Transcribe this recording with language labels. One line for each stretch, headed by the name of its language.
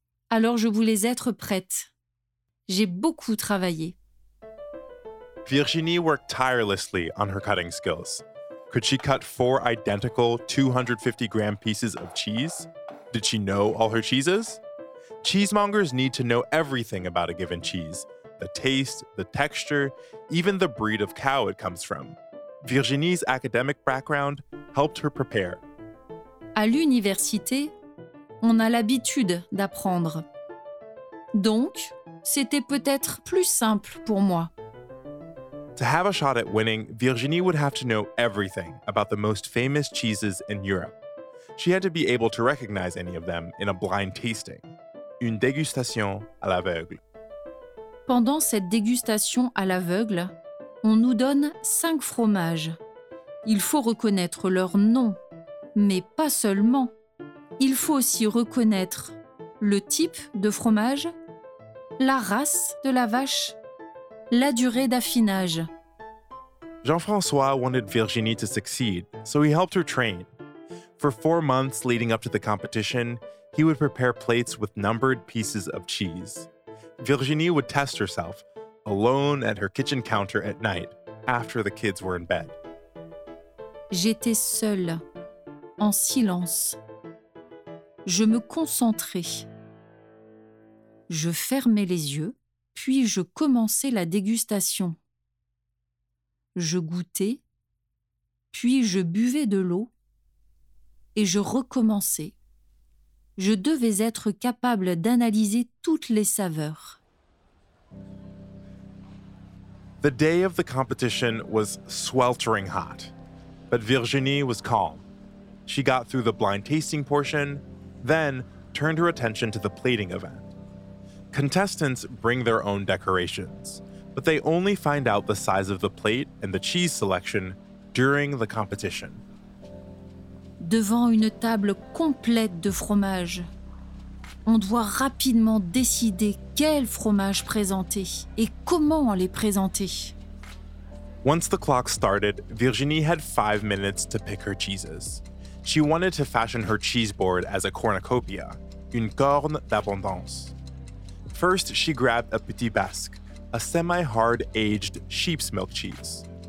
French: Alors je voulais être prête. J'ai beaucoup travaillé.
English: Virginie worked tirelessly on her cutting skills. Could she cut four identical 250-gram pieces of cheese? Did she know all her cheeses? Cheesemongers need to know everything about a given cheese, the taste, the texture, even the breed of cow it comes from. Virginie's academic background helped her prepare.
French: À l'université, on a l'habitude d'apprendre. Donc, c'était peut-être plus simple pour moi.
English: To have a shot at winning, Virginie would have to know everything about the most famous cheeses in Europe. She had to be able to recognize any of them in a blind tasting.
French: Une dégustation à l'aveugle. Pendant cette dégustation à l'aveugle, on nous donne 5 fromages. Il faut reconnaître leur nom, mais pas seulement. Il faut aussi reconnaître le type de fromage, la race de la vache, la durée d'affinage.
English: Jean-François wanted Virginie to succeed, so he helped her train. For 4 months leading up to the competition, he would prepare plates with numbered pieces of cheese. Virginie would test herself, alone at her kitchen counter at night, after the kids were in bed.
French: J'étais seule, en silence. Je me concentrais. Je fermais les yeux. Puis je commençais la dégustation. Je goûtais, puis je buvais de l'eau et je recommençais. Je devais être capable d'analyser toutes les saveurs.
English: The day of the competition was sweltering hot, but Virginie was calm. She got through the blind tasting portion, then turned her attention to the plating event. Contestants bring their own decorations, but they only find out the size of the plate and the cheese selection during the competition.
French: Devant une table complète de fromages, on doit rapidement décider quel fromage présenter et comment les présenter.
English: Once the clock started, Virginie had 5 minutes to pick her cheeses. She wanted to fashion her cheese board as a cornucopia,
French: une corne d'abondance.
English: First, she grabbed a petit basque, a semi-hard-aged sheep's milk cheese.